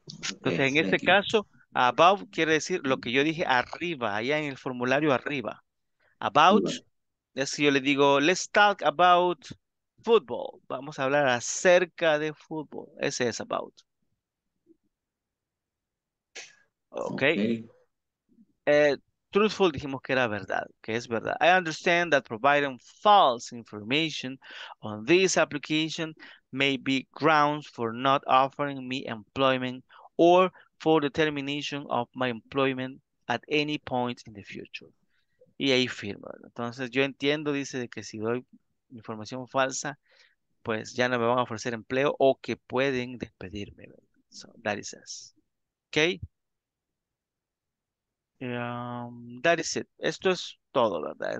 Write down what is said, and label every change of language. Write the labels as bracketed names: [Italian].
[Spanish] Entonces, en este caso, above quiere decir lo que yo dije arriba, allá en el formulario arriba. About, es si yo le digo, [English] let's talk about football. [Spanish] Vamos a hablar acerca de fútbol. Ese es about. Okay. Truthful, dijimos que era verdad, que es verdad. [English] I understand that providing false information on this application may be grounds for not offering me employment or for the termination of my employment at any point in the future. [Spanish] Y ahí firma. Entonces, yo entiendo, dice, de que si doy información falsa, pues ya no me van a ofrecer empleo o que pueden despedirme. [English] So, that is us. Okay. That is it. [Spanish] Esto es todo, ¿verdad?